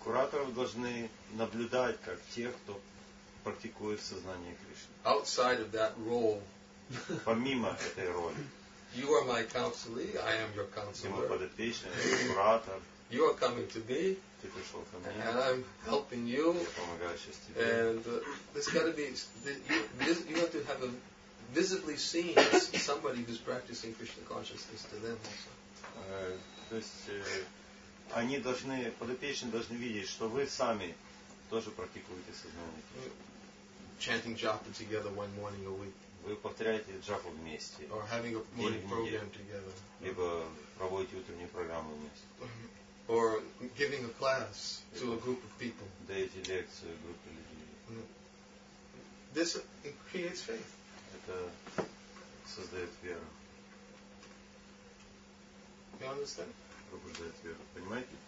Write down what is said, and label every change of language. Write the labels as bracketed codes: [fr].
[ru] Кураторов должны наблюдать как тех, кто практикует сознание Кришны. [en] Outside of that role. [ru] Помимо этой роли. [en] You are my counselee, I am your counselor. [ru] Ты мой подопечный, я куратор. [en] You are coming to me. [ru] Ты пришел ко мне. [en] And I'm helping you. [ru] Я помогаю сейчас тебе. [en] And there's got to be, you have to have a visibly seen somebody who's practicing Krishna consciousness to them also. [ru] То есть они должны, подопечные должны видеть, что вы сами тоже практикуете сознание. [en] Chanting japa together one morning a week. [ru] Вы повторяете джапу вместе. [en] Or having a morning program together. [ru] Либо проводите утреннюю программу вместе. [en] Or giving a class to a group of people. [ru] Даете лекцию группе людей. [en] This it creates faith. [ru] Это создает веру. [en] You understand? [ru] Пробуждает веру. Понимаете?